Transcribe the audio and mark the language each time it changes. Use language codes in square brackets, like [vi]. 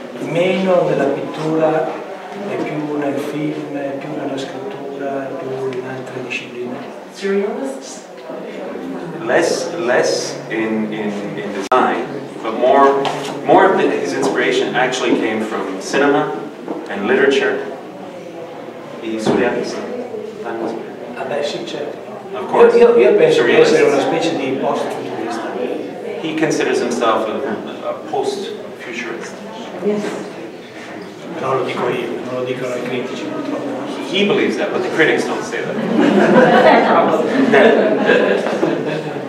[it] Meno nella pittura e più nel film, più nella scrittura, più in altre discipline. [en] Surrealists? Less in design, but more of his inspiration actually came from cinema and literature. [it] I surrealisti. Ah beh, sì, certo. [en] Of course. [it] Io penso di essere una specie di post-futurista. [en] He considers himself a post-futurist. Yes. [it] No, lo dico io, non lo dicono i critici, purtroppo. [en] He believes that, but the critics don't say that.